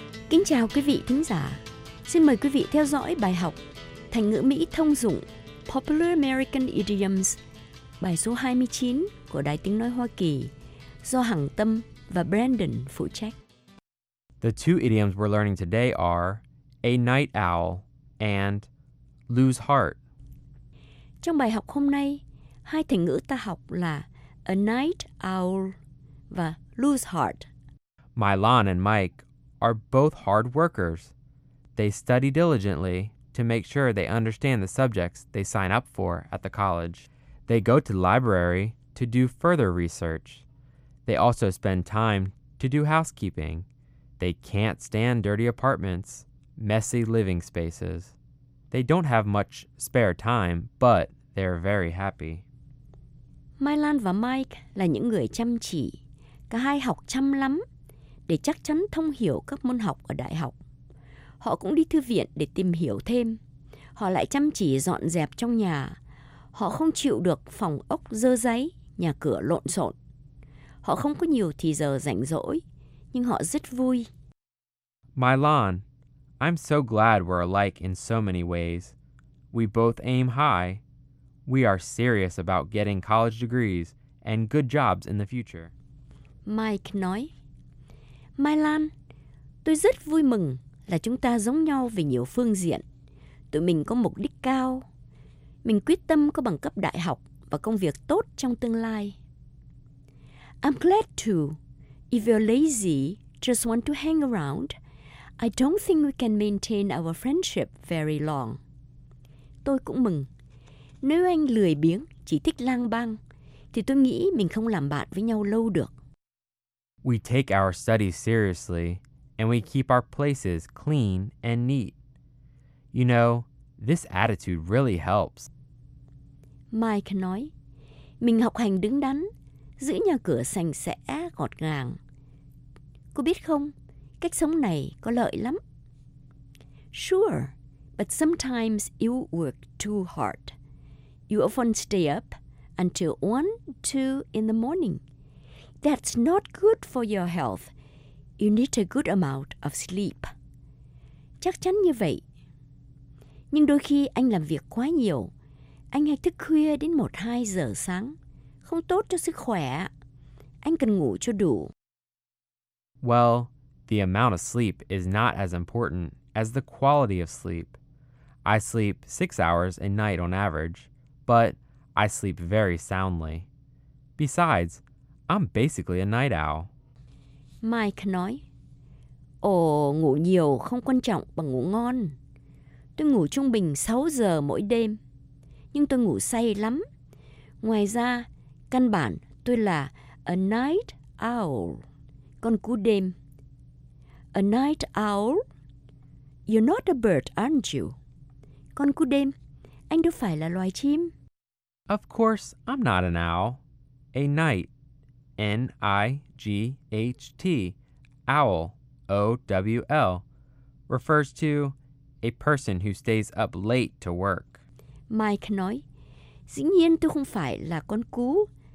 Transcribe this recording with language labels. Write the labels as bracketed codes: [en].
[vi] Kính chào quý vị thính giả. Xin mời quý vị theo dõi bài học thành ngữ Mỹ thông dụng Popular American Idioms, bài số 29 của Đài Tiếng Nói Hoa Kỳ do Hằng Tâm và Brandon phụ trách. [en] The two idioms we're learning today are a night owl and lose heart. [vi] Trong bài học hôm nay, hai thành ngữ ta học là [en] a night owl [vi] và [en] lose heart. Mylon and Mike are both hard workers. They study diligently to make sure they understand the subjects they sign up for at the college. They go to the library to do further research. They also spend time to do housekeeping. They can't stand dirty apartments, messy living spaces. They don't have much spare time, but they're very happy. [vi] Mylon và Mike là những người chăm chỉ. Cả hai học chăm lắm để chắc chắn thông hiểu các môn học ở đại học. Họ cũng đi thư viện để tìm hiểu thêm. Họ lại chăm chỉ dọn dẹp trong nhà. Họ không chịu được phòng ốc dơ dáy, nhà cửa lộn xộn. Họ không có nhiều thời giờ rảnh rỗi. Nhưng họ rất vui. [en] Mylon, I'm so glad we're alike in so many ways. We both aim high. We are serious about getting college degrees and good jobs in the future. [vi] Mike nói, Mai Lan, tôi rất vui mừng là chúng ta giống nhau về nhiều phương diện. Tụi mình có mục đích cao. Mình quyết tâm có bằng cấp đại học và công việc tốt trong tương lai. [en] I'm glad too. If you're lazy, just want to hang around, I don't think we can maintain our friendship very long. [vi] Tôi cũng mừng. Nếu anh lười biếng, chỉ thích lang bang, thì tôi nghĩ mình không làm bạn với nhau lâu được. [en] We take our studies seriously, and we keep our places clean and neat. You know, this attitude really helps. [vi] Mike nói, mình học hành đứng đắn, giữ nhà cửa sạch sẽ, gọn gàng. Cô biết không, cách sống này có lợi lắm. [en] Sure, but sometimes you work too hard. You often stay up until 1, 2 in the morning. That's not good for your health. You need a good amount of sleep. [vi] Chắc chắn như vậy. Nhưng đôi khi anh làm việc quá nhiều. Anh hay thức khuya đến 1-2 giờ sáng. Không tốt cho sức khỏe. Anh cần ngủ cho đủ. [en] Well, the amount of sleep is not as important as the quality of sleep. I sleep 6 hours a night on average, but I sleep very soundly. Besides, I'm basically a night owl. [vi] Mike nói, Ồ, ngủ nhiều không quan trọng bằng ngủ ngon. Tôi ngủ trung bình 6 giờ mỗi đêm, nhưng tôi ngủ say lắm. Ngoài ra, căn bản tôi là [en] a night owl, [vi] con cú đêm. [en] A night owl? You're not a bird, aren't you? [vi] Con cú đêm, anh đâu phải là loài chim. [en] Of course, I'm not an owl. A night. N-I-G-H-T. Owl. O-W-L. Refers to a person who stays up late to work. [vi] Mike nói, Dĩ nhiên tôi không phải là con cú.